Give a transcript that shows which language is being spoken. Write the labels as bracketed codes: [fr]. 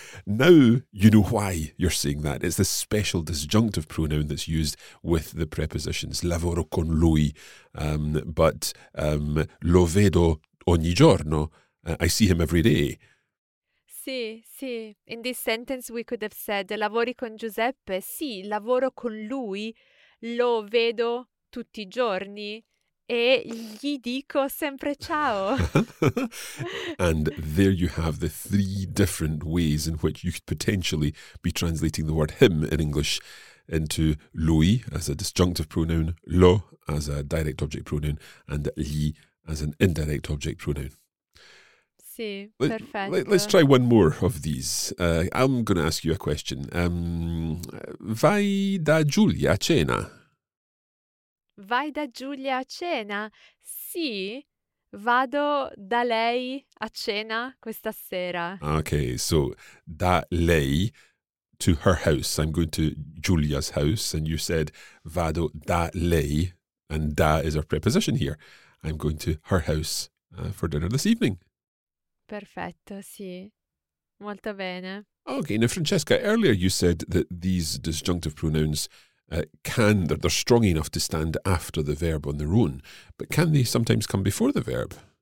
[en] Now you know why you're saying that. It's the special disjunctive pronoun that's used with the prepositions [it] lavoro con lui. [en] But [it] lo vedo ogni giorno. [en] I see him every day. [it] Sì, sì. [en] In this sentence we could have said [it] lavori con Giuseppe? Sì, lavoro con lui, lo vedo tutti i giorni e gli dico sempre ciao. [en] And there you have the three different ways in which you could potentially be translating the word him in English into lui as a disjunctive pronoun, lo as a direct object pronoun, and gli as an indirect object pronoun. Let's try one more of these. I'm going to ask you a question. [it] Vai da Giulia a cena? Vai da Giulia a cena? Sì, vado da lei a cena questa sera. [en] Okay, so [it] da lei [en] to her house. I'm going to Giulia's house, and you said [it] vado da lei, [en] and da is our preposition here. I'm going to her house for dinner this evening. [it] Perfetto, sì. Molto bene. [en] Okay, now Francesca, earlier you said that these disjunctive pronouns they're strong enough to stand after the verb on their own, but can they sometimes come before the verb?